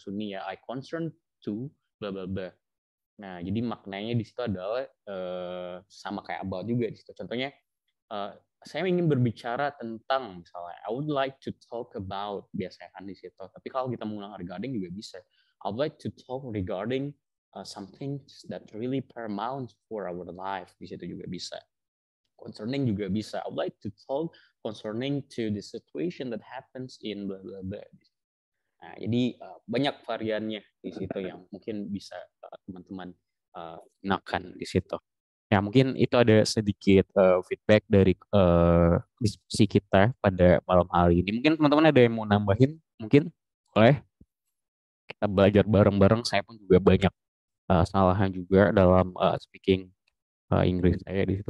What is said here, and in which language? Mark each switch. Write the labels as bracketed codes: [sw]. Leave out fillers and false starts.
[id] Sunni ya, [en] I concern to blah blah blah. [id] Nah, jadi maknanya di situ adalah sama kayak about juga di situ. Contohnya saya ingin berbicara tentang misalnya [en] I would like to talk about [id] biasanya kan di situ. Tapi kalau kita menggunakan regarding juga bisa. [en] I'd like to talk regarding something that really paramount for our life. [id] Di situ juga bisa. [en] Concerning [id] juga bisa. [en] I'd like to talk concerning to the situation that happens in blah blah blah. [id] Nah, jadi banyak variannya di situ yang mungkin bisa teman-teman gunakan di situ. Ya mungkin itu ada sedikit feedback dari diskusi kita pada malam hari ini. Mungkin teman-teman ada yang mau nambahin? Mungkin boleh. Kita belajar bareng-bareng, saya pun juga banyak kesalahan juga dalam speaking Inggris saya di situ.